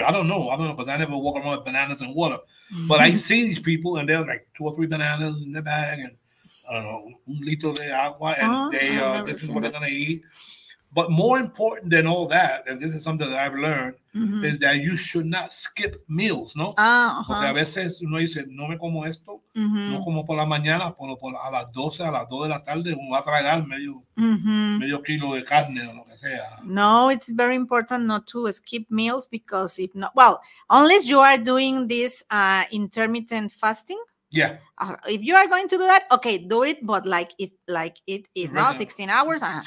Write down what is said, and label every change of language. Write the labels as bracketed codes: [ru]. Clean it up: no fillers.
[en] I don't know, because I never walk around with bananas and water. Mm-hmm. But I see these people, and they're like two or three bananas in their bag, and I don't know, [es] un litro de agua, [en] and this is what they're going to eat. But more important than all that, and this is something that I've learned, mm-hmm. is that you should not skip meals, ¿no? [es] Porque a veces uno dice, no me como esto, mm-hmm. no como por la mañana, pero por a las 12, a las 2 de la tarde, uno va a tragar medio, mm-hmm. medio kilo de carne o lo que sea. [en] No, it's very important not to skip meals, because if not, well, unless you are doing this intermittent fasting. Yeah. If you are going to do that, okay, do it, but like it is right now 16 hours.